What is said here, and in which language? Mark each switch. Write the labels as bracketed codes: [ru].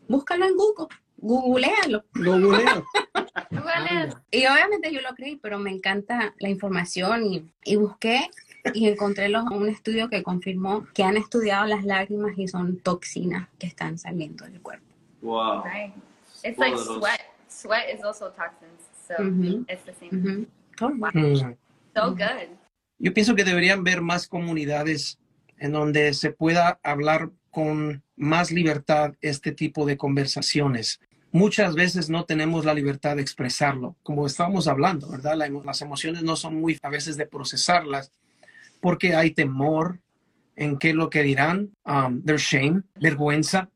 [es] Búscalo en Google. Googlealo. Googlealo. Y obviamente yo lo creí, pero me encanta la información, y busqué y encontré un estudio que confirmó que han estudiado las lágrimas y son toxinas que están saliendo del cuerpo. [en] Wow. Right. It's like sweat. Sweat is also toxins, so it's the same. Wow. So good. [es] Yo pienso que deberían ver más comunidades en donde se pueda hablar con más libertad este tipo de conversaciones. Muchas veces no tenemos la libertad de expresarlo, como estábamos hablando, ¿verdad? Las emociones no son muy a veces de procesarlas, porque hay temor en qué lo que dirán, their shame, vergüenza.